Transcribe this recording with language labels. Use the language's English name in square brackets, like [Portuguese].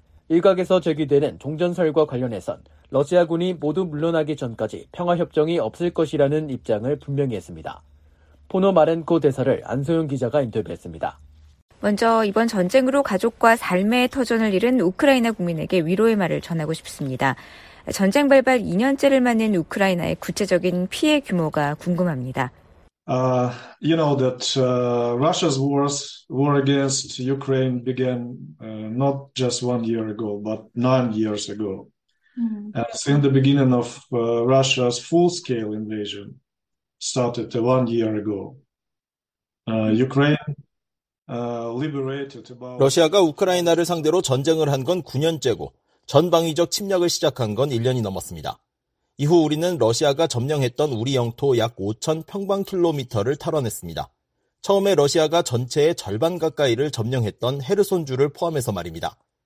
[Korean] 일각에서 제기되는 종전설과 관련해선 러시아군이 모두 물러나기 전까지 평화협정이 없을 것이라는 입장을 분명히 했습니다. 포노마렌코 대사를 안소영 기자가 인터뷰했습니다. 먼저 이번 전쟁으로 가족과 삶의 터전을 잃은 우크라이나 국민에게 위로의 말을 전하고 싶습니다. 전쟁 발발 2년째를 맞는 우크라이나의 구체적인 피해 규모가 궁금합니다. [English] You know that Russia's war against Ukraine began not just 1 year ago, but 9 years ago. And since the beginning of Russia's full-scale invasion started 1 year ago, Ukraine liberated about. [Korean] 러시아가 우크라이나를 상대로 전쟁을 한 건 9년째고 전방위적 침략을 시작한 건 1년이 넘었습니다. 이후 우리는 러시아가 점령했던 우리 영토 약 5,000평방킬로미터를 탈환했습니다. 처음에 러시아가 전체의 절반 가까이를 점령했던 헤르손주를 포함해서 말입니다.